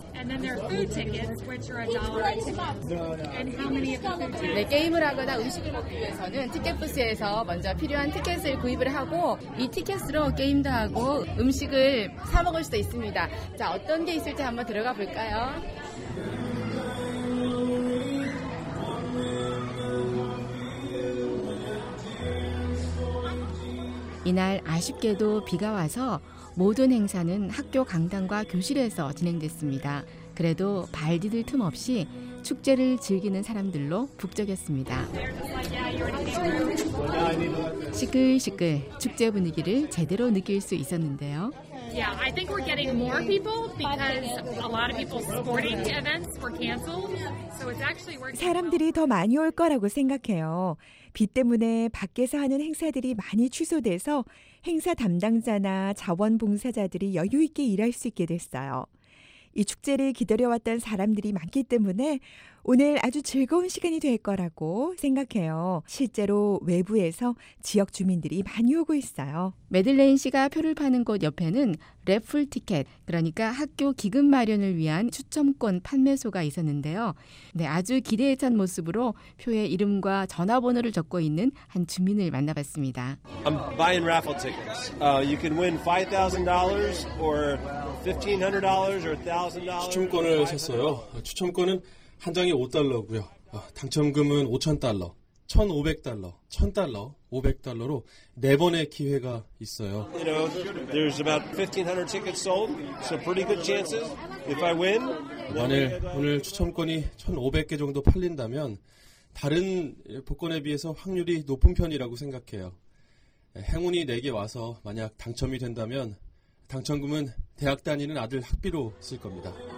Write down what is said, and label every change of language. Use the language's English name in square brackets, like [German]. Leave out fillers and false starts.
[English] And then there are food tickets, which are $1 ticket. And how many of the food tickets? [Korean] 네, 게임을 하거나 음식을 먹기 위해서는 티켓 부스에서 먼저 필요한 티켓을 구입을 하고 이 티켓으로 게임도 하고 음식을 사 먹을 수도 있습니다. 자, 어떤 게 있을지 한번 들어가 볼까요? Today, 아쉽게도 비가 와서 모든 행사는 학교 강당과 교실에서 진행됐습니다. 그래도 발 디딜 틈 없이 축제를 즐기는 사람들로 북적였습니다. 시끌시끌 축제 분위기를 제대로 느낄 수 있었는데요. [English] Yeah, I think we're getting more people because a lot of people's sporting events were canceled. So it's actually working. [Korean] 사람들이 더 많이 올 거라고 생각해요. 비 때문에 밖에서 하는 행사들이 많이 취소돼서 행사 담당자나 자원봉사자들이 여유 있게 일할 수 있게 됐어요. 이 축제를 기다려왔던 사람들이 많기 때문에 오늘 아주 즐거운 시간이 될 거라고 생각해요. 실제로 외부에서 지역 주민들이 많이 오고 있어요. 매들레인 씨가 표를 파는 곳 옆에는 랩풀 티켓, 그러니까 학교 기금 마련을 위한 추첨권 판매소가 있었는데요. 네, 아주 기대에 찬 모습으로 표에 이름과 전화번호를 적고 있는 한 주민을 만나봤습니다. [English] I'm buying raffle tickets. You can win $5,000 or $1,500 or $1,000. [Korean] 추첨권을 샀어요. 추첨권은 한 장에 $5고요. 당첨금은 $5,000, $1,500, $1,000, $500로 네 번의 기회가 있어요. [English] You know, there's about 1,500 tickets sold, so pretty good chances. If I win, [Korean] 만일 오늘 추첨권이 1,500개 정도 팔린다면 다른 복권에 비해서 확률이 높은 편이라고 생각해요. 행운이 내게 와서 만약 당첨이 된다면 당첨금은 대학 다니는 아들 학비로 쓸 겁니다.